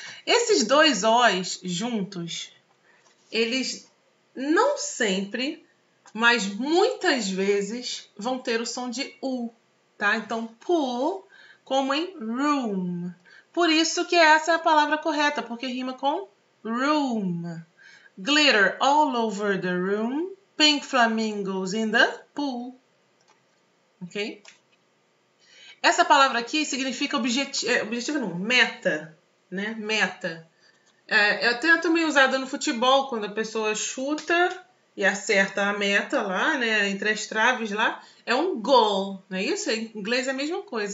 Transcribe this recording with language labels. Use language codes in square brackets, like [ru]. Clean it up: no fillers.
[pt] Esses dois Os juntos, eles não sempre, mas muitas vezes vão ter o som de U, tá? Então, pool, como em room. Por isso que essa é a palavra correta, porque rima com room. [en] Glitter all over the room. Pink flamingos in the pool. Ok? [pt] Essa palavra aqui significa objetivo não, meta, né? Meta. É, eu tenho também usada no futebol quando a pessoa chuta e acerta a meta lá, né? Entre as traves lá, é um goal, não é isso? Em inglês é a mesma coisa.